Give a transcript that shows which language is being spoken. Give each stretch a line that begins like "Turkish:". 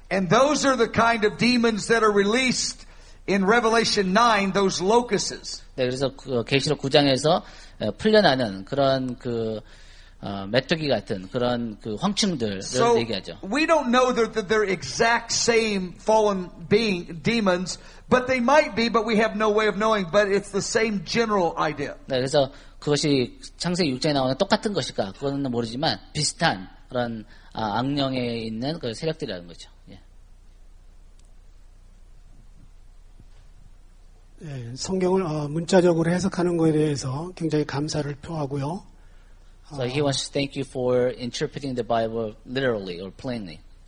English: And those are the kind of demons that are released in Revelation 9. Those locusts.
Korean: 네, 그래서 계시록 9장에서 풀려나는 그런 메뚜기 같은 그런 그 황충들을
English: so
Korean: 얘기하죠.
English: We don't know that they're exact same fallen being demons, but they might be, but we have no way of knowing, but it's the same general idea.
Korean: 네, 그래서 그것이 창세기 6장에 나오는 똑같은 것일까? 그건 모르지만 비슷한 그런 악령에 있는 그 세력들이라는 거죠. 예. 예, 성경을 문자적으로 해석하는 것에 대해서 굉장히 감사를 표하고요.
English: So he wants to thank you for interpreting the Bible literally or plainly.